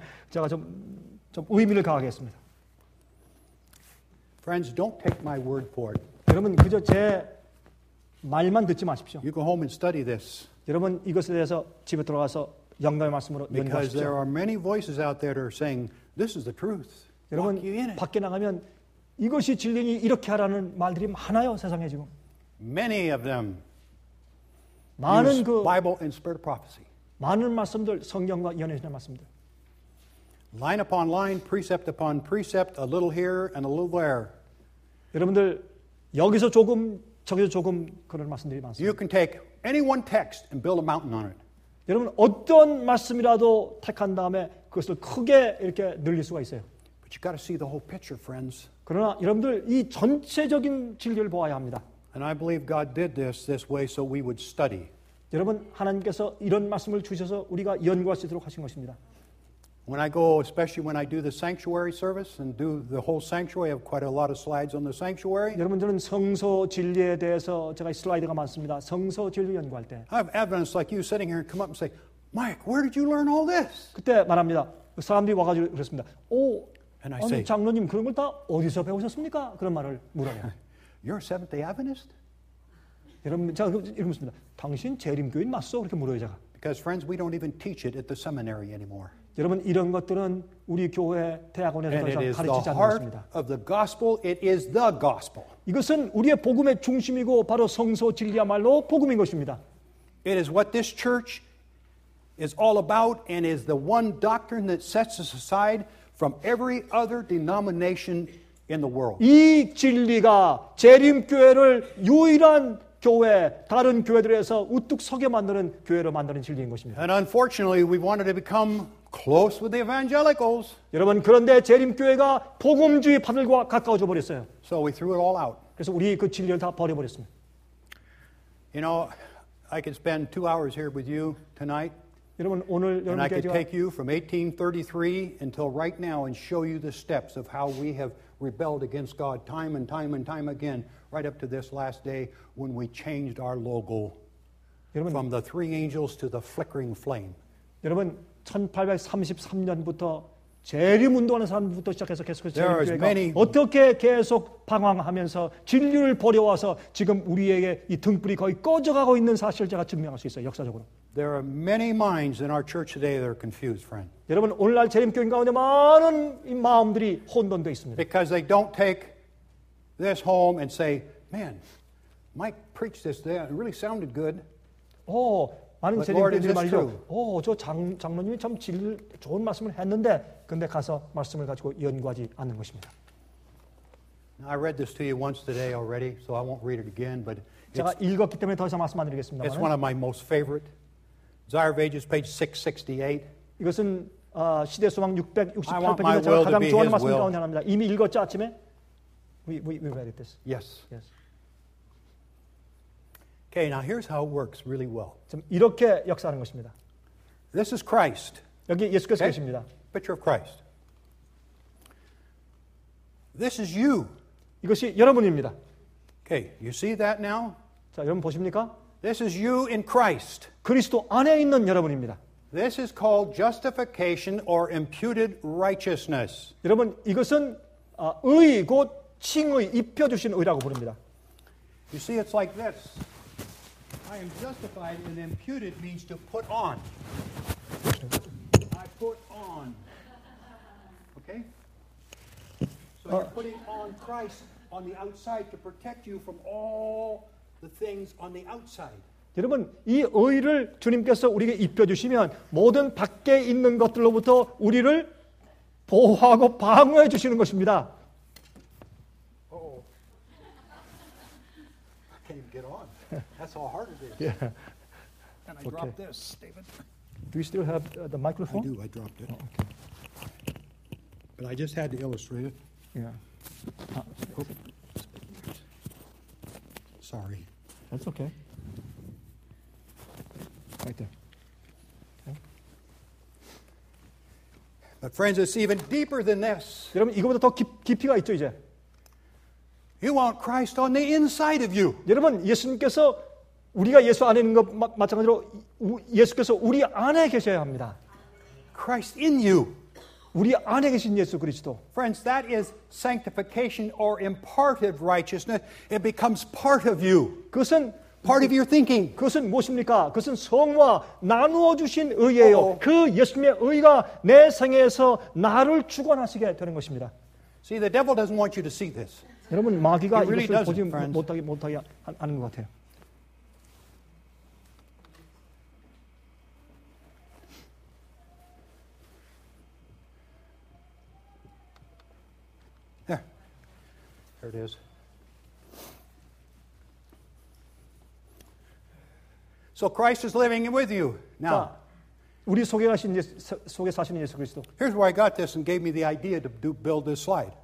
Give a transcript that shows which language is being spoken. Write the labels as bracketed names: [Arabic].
[Korean] 제가 좀 의미를 가하겠습니다. [English] Friends, don't take my word for it. [Korean] 여러분 그저 제 말만 듣지 마십시오. [English] You go home and study this. [Korean] 여러분 이것에 대해서 집에 들어가서 영감의 말씀으로 연구하십시오. [English] Because there are many voices out there that are saying this is the truth. [Korean] 여러분 밖에 나가면 이것이 진리니 이렇게 하라는 말들이 많아요 세상에 지금. [English] Many of them. [Korean] 많은 그 [English] Bible and spirit prophecy. [Korean] 많은 말씀들 성경과 연예신의 말씀들. [English] Line upon line, precept upon precept, a little here and a little there. [Korean] 여러분들 여기서 조금 저기서 조금 그런 말씀들이 많습니다. [English] You can take any one text and build a mountain on it. [Korean] 여러분 어떤 말씀이라도 택한 다음에 그것을 크게 이렇게 늘릴 수가 있어요. [English] But you got to see the whole picture, friends. [Korean] 그러나 여러분들 이 전체적인 진리를 보아야 합니다. [English] And I believe God did this way so we would study. [Korean] 여러분 하나님께서 이런 말씀을 주셔서 우리가 연구할 수 있도록 하신 것입니다. [English] When I go, especially when I do the sanctuary service and do the whole sanctuary, I have quite a lot of slides on the sanctuary. [Korean] 여러분 저는 성소 진리에 대해서 제가 슬라이드가 많습니다. 성소 진리 연구할 때. [English] I have evidence like you sitting here and come up and say, Mike, where did you learn all this? [Korean] 그때 말합니다. 사람들이 와가지고 그랬습니다. 오, 아니 say, 장로님 그런 걸 다 어디서 배우셨습니까? 그런 말을 물어요. [English] You're a Seventh-day Adventist? [Korean] 여러분 제가 이랬습니다. 당신 재림교인 맞소? 그렇게 물어요 제가. [English] Because friends, we don't even teach it at the seminary anymore. [Korean] 여러분 이런 것들은 우리 교회 대학원에서 더 이상 가르치지 않습니다. [English] Of the gospel, it is the gospel. [Korean] 이것은 우리의 복음의 중심이고 바로 성소 진리야말로 복음인 것입니다. [English] It is what this church is all about and is the one doctrine that sets us aside from every other denomination in the world. [Korean] 이 진리가 재림교회를 유일한 교회 다른 교회들에서 우뚝 서게 만드는 교회로 만드는 진리인 것입니다. [English] And unfortunately, we wanted to become close with the evangelicals. [Korean] 여러분 그런데 재림교회가 복음주의 파들과 가까워져 버렸어요. [English] So we threw it all out. [Korean] 그래서 우리 그 진리를 다 버려 버렸습니다. [English] You know, I could spend 2 hours here with you tonight. [Korean] 여러분 오늘 여러분 제가 [English] And I could take you from 1833 until right now and show you the steps of how we have rebelled against God time and time and time again right up to this last day when we changed our logo [Korean] 여러분, [English] from the three angels to the flickering flame. [Korean] 여러분 1833년부터 재림 운동하는 사람부터 시작해서 계속해서 재림교회가 어떻게 계속 방황하면서 진리를 버려와서 지금 우리에게 이 등불이 거의 꺼져가고 있는 사실을 제가 증명할 수 있어요. 역사적으로. [English] There are many minds in our church today that are confused, friend. [Korean] 여러분 오늘날 재림교회 가운데 많은 이 마음들이 혼돈되어 있습니다. [English] Because they don't take this home and say, man, Mike preached this there. It really sounded good. [Korean] Oh, 많은 재림교인들이 말이죠. 오, 저 장로님이 참 좋은 말씀을 했는데 근데 가서 말씀을 가지고 연구하지 않는 것입니다. [English] I read this to you once today already, so I won't read it again. But [Korean] 제가 읽었기 때문에 더 이상 말씀 안 드리겠습니다. [English] It's one of my most favorite. Desire of Ages, page 668. [Korean] 이것은 시대소망 668페이지에 제가 가장 좋아하는 말씀 가운데 하나입니다. 이미 읽었죠, 아침에? [English] We read it this. Yes. Yes. Okay, now here's how it works really well. [Korean] 이렇게 역사하는 것입니다. [English] This is Christ. [Korean] 여기 예수께서 계십니다. [English] Picture of Christ. This is you. [Korean] 이것이 여러분입니다. [English] Okay, you see that now? [Korean] 자, 여러분 보십니까? [English] This is you in Christ. [Korean] 그리스도 안에 있는 여러분입니다. [English] This is called justification or imputed righteousness. [Korean] 여러분 이것은 의, 곧 칭의, 입혀주신 의라고 부릅니다. [English] You see, it's like this. I am justified and imputed means to put on. I put on. Okay? So you're putting on Christ on the outside to protect you from all the things on the outside. [Korean] 여러분, 이 의를 주님께서 우리에게 입혀주시면 모든 밖에 있는 것들로부터 우리를 보호하고 방어해 주시는 것입니다. [English] Uh-oh. I can't even get on. That's how hard it is. Yeah. Can I drop this, David? Do you still have the microphone? I do. I dropped it. Oh, okay. But I just had to illustrate it. Yeah. Sorry. That's okay. Right there. Okay. But friends, it's even deeper than this. [Korean] 여러분 이거보다 더 깊이가 있죠 이제. [English] You want Christ on the inside of you. [Korean] 여러분 예수님께서 우리가 예수 안에 있는 것 마찬가지로 예수께서 우리 안에 계셔야 합니다. [English] Christ in you. [Korean] 우리 안에 계신 예수 그리스도. [English] Friends, that is sanctification or imparted righteousness. It becomes part of you. [Korean] 그것은 [English] part of your thinking. [Korean] 그것은 무엇입니까? 그것은 성화 나누어 주신 의예요. 그 예수님의 의가 내 생에서 나를 주관하시게 되는 것입니다. [English] See, the devil doesn't want you to see this. [Korean] 여러분 마귀가 이것을 보지 못하게 하는 것 같아요. [English] There it is. So Christ is living with you now. [Korean] 우리 속에 계신 속에 사시는 예수 그리스도. [English] Here's where I got this and gave me the idea to build this slide.